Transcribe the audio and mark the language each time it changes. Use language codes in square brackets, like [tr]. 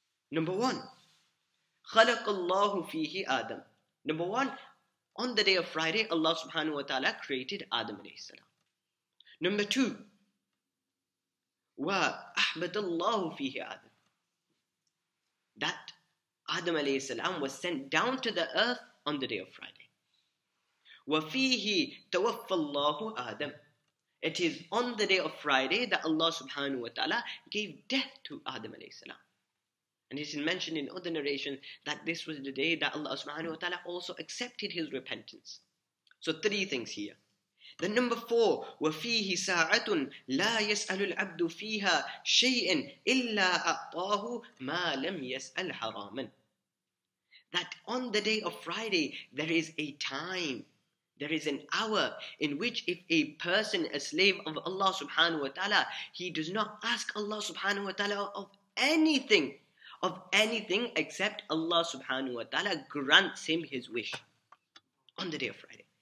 [en] Number one, [ar] خَلَقَ اللَّهُ فِيهِ آدَم. [en] Number one, on the day of Friday, Allah subhanahu wa ta'ala created Adam alayhi salam. Number two, [ar] وَأَحْبَدَ اللَّهُ فِيهِ آدَم. [en] That Adam alayhi salam was sent down to the earth on the day of Friday. [ar] وَفِيهِ تَوَفَّ اللَّهُ آدَم. [en] It is on the day of Friday that Allah subhanahu wa ta'ala gave death to Adam alayhi salam. And it is mentioned in other narrations that this was the day that Allah subhanahu wa ta'ala also accepted his repentance. So three things here. Then number four, [ar] وَفِيهِ سَاعَةٌ لَا يَسْأَلُ الْعَبْدُ فِيهَا شَيْءٍ إِلَّا أَعْطَاهُ مَا لَمْ يَسْأَلْ حَرَامًا. [en] That on the day of Friday, there is a time, there is an hour in which if a person, a slave of Allah subhanahu wa ta'ala, he does not ask Allah subhanahu wa ta'ala of anything except Allah subhanahu wa ta'ala grants him his wish on the day of Friday.